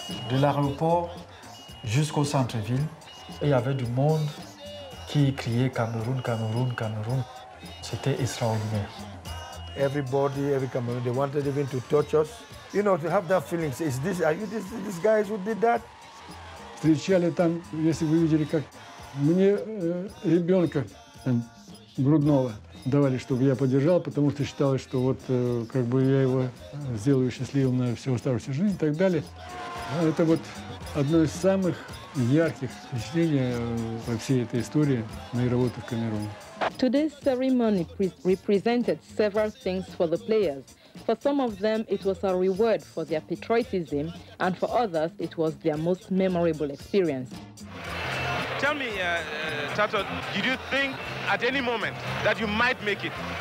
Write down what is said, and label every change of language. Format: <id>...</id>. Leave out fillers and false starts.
<fr>De l'aéroport jusqu'au centre-ville, il y avait du monde qui criait Cameroun, Cameroun, Cameroun. C'était extraordinaire.</fr> <en>Everybody, every Cameroon, they wanted even to touch us. You know, to have that feeling, is this, are you this guys who did that?</en> <ru>Встречали там, если вы видели, как мне ребенка грудного давали, чтобы я подержал, потому что считалось, что вот как бы я его сделаю счастливым на всю оставшуюся жизнь и так далее. Это вот одно из самых ярких впечатлений во всей этой истории моей работы в Камеруне.</ru> <en>Today's ceremony represented several things for the players. For some of them, it was a reward for their patriotism, and for others, it was their most memorable experience. Tell me, Tato, did you think at any moment that you might make it?</en>